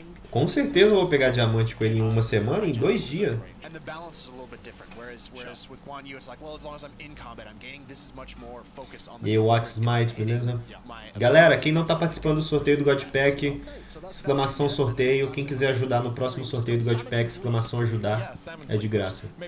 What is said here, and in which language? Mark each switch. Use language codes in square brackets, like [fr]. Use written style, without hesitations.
[pt] Com certeza eu vou pegar diamante com ele em uma semana, em dois dias. E o balance é um pouco diferente. [en] Whereas with Guan Yu, it's like, well, as long as I'm in combat, I'm gaining this is much more focus on the Wax Smite, [pt] beleza? Galera, quem não tá participando do sorteio do God Pack, exclamação sorteio. Quem quiser ajudar no próximo sorteio do God Pack, exclamação ajudar, é de graça.